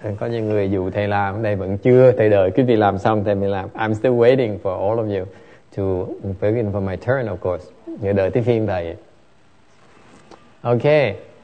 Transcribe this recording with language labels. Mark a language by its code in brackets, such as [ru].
[vi] Có những người dù thầy làm đây vẫn chưa, thầy đợi quý vị làm xong thầy mới làm. [en] I'm still waiting for all of you to begin for my turn, of course. [vi] Người đợi tới phiên thầy. Okay.